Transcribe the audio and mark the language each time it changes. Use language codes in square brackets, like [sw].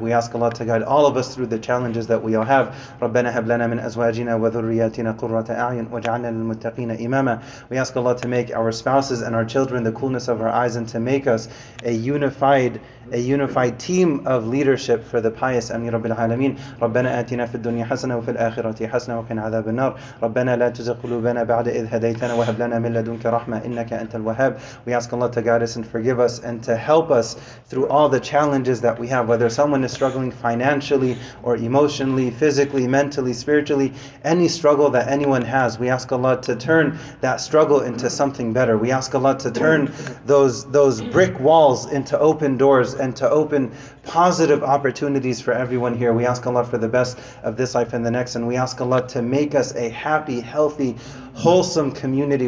[en] We ask Allah to guide all of us through the challenges that we all have. [ar] رَبَّنَا هَبْ لَنَا مِنْ أَزْوَاجِنَا وَذُرِّيَاتِنَا قُرَّةَ أَعْيُنٍ وَاجْعَلْنَا لِلْمُتَّقِينَ إِمَامًا. [en] We ask Allah to make our spouses and our children the coolness of our eyes and to make us a unified team of leadership for the pious. [ar] أَمِنْ رَبِّ الْعَالَمِينَ. رَبَّنَا آتِنَا فِي الدُّنْيَا حَسَنَةً وفي الآخرة حسنة وقنا عذاب النار. ربنا لا تزغ قلوبنا بعد إذ هديتنا وهب لنا من لدنك رحمة إنك أنت الوهاب. [en] We ask Allah to guide us and forgive us and to help us through all the challenges that we have, whether someone is struggling financially or emotionally, physically, mentally, spiritually, any struggle that anyone has, we ask Allah to turn that struggle into something better. We ask Allah to turn those brick walls into open doors and to open positive opportunities for everyone here. We ask Allah for the best of this life and the next, and we ask Allah to make us a happy, healthy, wholesome community.